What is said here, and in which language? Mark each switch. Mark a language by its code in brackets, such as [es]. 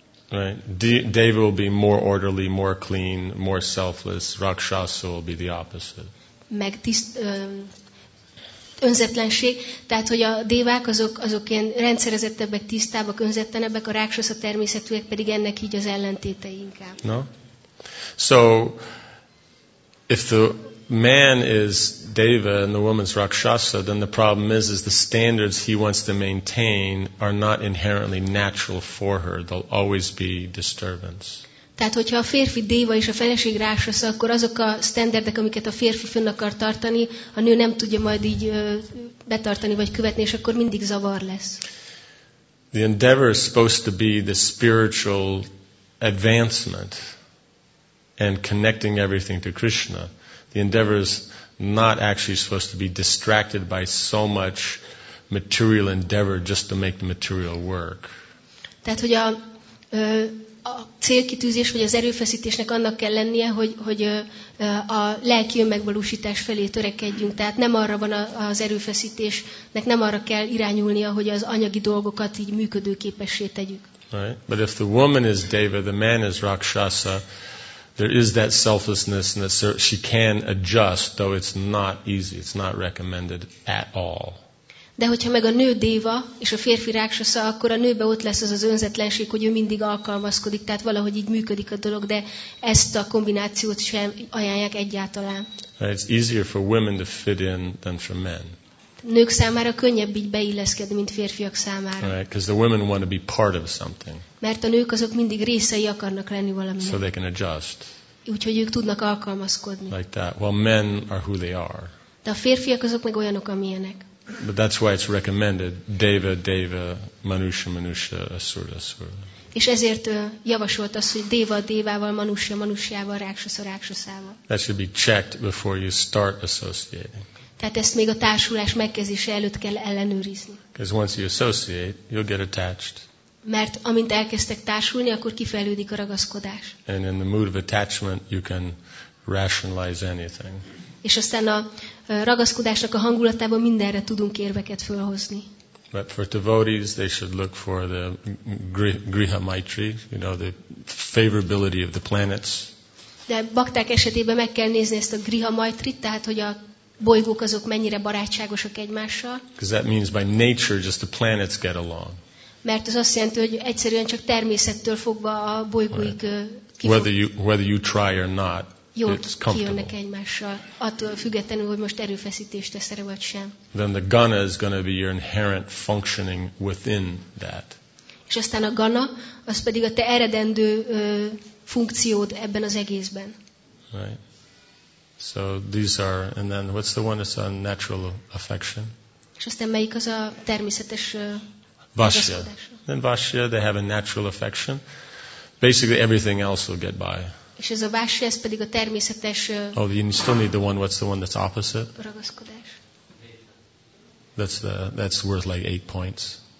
[en] Deva will be more orderly, more clean, more selfless. Rakshasa will be the opposite. [hu] Meg önzetlenség. Tehát, hogy a dévák azok ilyen rendszerezettebbek, tisztábbak, önzetlenebbek, a rákszasza természetűek pedig ennek így az ellentétei inkább. No? [en] So, if the man is deva and the woman's rakshasa, then the problem is the standards he wants to maintain are not inherently natural for her. There'll always be disturbance. [hu] Tehát, hogyha a férfi déva és a feleség rákszasza, akkor azok a standardek, amiket a férfi fönn akar tartani, a nő nem tudja majd így betartani vagy követni, és akkor mindig zavar lesz. [en] The endeavor is supposed to be the spiritual advancement and connecting everything to Krishna. The endeavor is not actually supposed to be distracted by so much material endeavor just to make the material work. [hu] Tehát, hogy a célkitűzés vagy az erőfeszítésnek annak kell lennie, hogy a lelki önmegvalósítás felé törekedjünk. Tehát nem arra van az erőfeszítésnek, nem arra kell irányulnia, hogy az anyagi dolgokat így működőképessé tegyük. [en] Right. But if the woman is deva, the man is rakshasa, there is that selflessness and that she can adjust, though it's not easy, it's not recommended at all. [hu] De hogyha meg a nő déva és a férfi rákszasza, akkor a nőbe ott lesz az önzetlenség, hogy ő mindig alkalmazkodik, tehát valahogy így működik a dolog, de ezt a kombinációt sem ajánlják egyáltalán. [en] It's easier for women to fit in than for men. [hu] Nők számára könnyebb így beilleszkedni, mint férfiak számára. [en] Right, because the women want to be part of something. [hu] Mert a nők azok mindig részei akarnak lenni valaminek. [en] So they can adjust. [hu] Úgyhogy ők tudnak alkalmazkodni. [en] Like that. Well, men are who they are. [hu] De a férfiak azok meg olyanok, amilyenek. [en] But that's why it's recommended deva deva manusha manusha asura asura. [hu] És ezért javasolt az, hogy deva devával, manusha manushyával, rákszasza rákszaszával. [en] That should be checked before you start associating. [hu] Tehát ezt még a társulás megkezdése előtt kell ellenőrizni. [en] Because once you associate, you'll get attached. [hu] Mert amint elkezdtek társulni, akkor kifejlődik a ragaszkodás. [en] And in the mood of attachment, you can rationalize anything. [hu] És aztán a ragaszkodásnak a hangulatában mindenre tudunk érveket fölhozni. [en] But for devotees, they should look for the griha maitri, you know, the favorability of the planets. [hu] De bakták esetében meg kell nézni ezt a griha maitrit, tehát hogy a bolygók azok mennyire barátságosak egymással. [en] Because that means by nature just the planets get along. [hu] Mert ez azt jelenti, hogy egyszerűen csak természettől fogva a bolygóik kifog. [en] Whether you try or not. [hu] Jól kijönnek egymással, attól függetlenül, hogy most erőfeszítést tesz-e vagy sem. [en] Then the gana is going to be your inherent functioning within that. [hu] És aztán a gana, az pedig a te eredendő funkciód ebben az egészben. [en] Right. So these are, and then what's the one that's on natural affection? [hu] És aztán melyik az a természetes [en] vashya. Then vashya, they have a natural affection. Basically everything else will get by. [hu] És ez a vásya, ez pedig a természetes. [en] Oh, you still need the one. What's the one that's opposite? [hu] Ragaszkodás. [en] That's worth like 8 points.